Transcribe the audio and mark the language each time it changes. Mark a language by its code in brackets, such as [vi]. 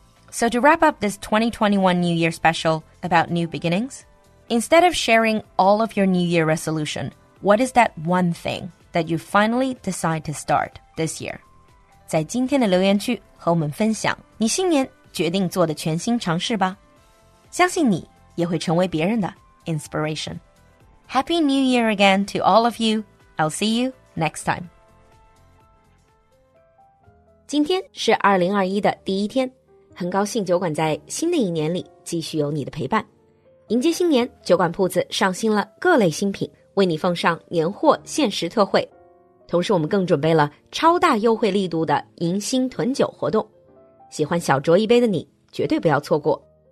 [en] So to wrap up this 2021 New Year special about new beginnings, instead of sharing all of your New Year resolution, what is that one thing that you finally decide to start this year? [zh] 在今天的留言区和我们分享你新年决定做的全新尝试吧。相信你也会成为别人的 inspiration. [en] Happy New Year again to all of you. I'll see you next time. [zh] 今天是2021的第一天，很高兴酒馆在新的一年里继续有你的陪伴。迎接新年，酒馆铺子上新了各类新品，为你奉上年货限时特惠。同时我们更准备了超大优惠力度的迎新囤酒活动，喜欢小酌一杯的你绝对不要错过。